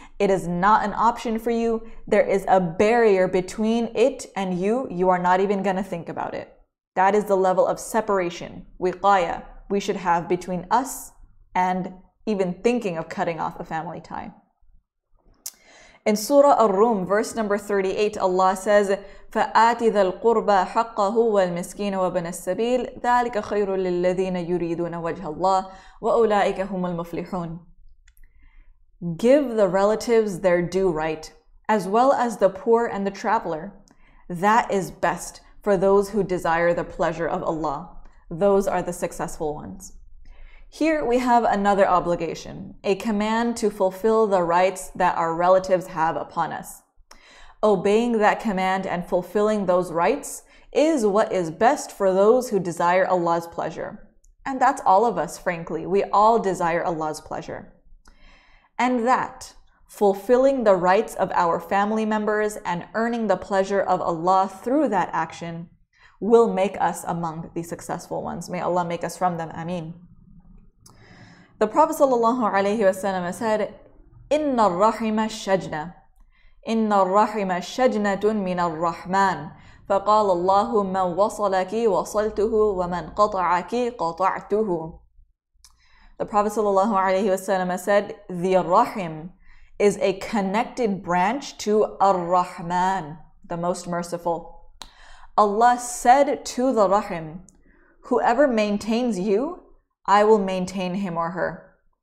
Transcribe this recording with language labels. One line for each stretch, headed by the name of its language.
English: It is not an option for you. There is a barrier between it and you. You are not even going to think about it. That is the level of separation, wiqaya, we should have between us and even thinking of cutting off a family tie. In Surah Ar-Rum, verse number 38, Allah says,
Arabic: فَآتِ ذَا الْقُرْبَى حَقَّهُ وَالْمِسْكِينَ وَبْنَ السَّبِيلِ ذَلِكَ خَيْرٌ لِلَّذِينَ يُرِيدُونَ وَجْهَ اللَّهِ وَأُولَٰئِكَ هُمُ الْمُفْلِحُونَ.
English: Give the relatives their due right, as well as the poor and the traveler. That is best for those who desire the pleasure of Allah. Those are the successful ones. Here we have another obligation, a command to fulfill the rights that our relatives have upon us. Obeying that command and fulfilling those rights is what is best for those who desire Allah's pleasure. And that's all of us, frankly. We all desire Allah's pleasure. And that, fulfilling the rights of our family members and earning the pleasure of Allah through that action, will make us among the successful ones. May Allah make us from them.
Arabic: Ameen.
English: The Prophet sallallahu alaihi wasallam said,
Arabic: "Inna rahima shajna, inna rahima shajnatun min ar-Rahman." فقال الله من وصلك وصلته ومن قطعك قطعته.
English: The Prophet sallallahu alaihi wasallam said, "The rahim is a connected branch to ar-Rahman, the Most Merciful. Allah said to the rahim, Whoever maintains you, I will maintain him or her.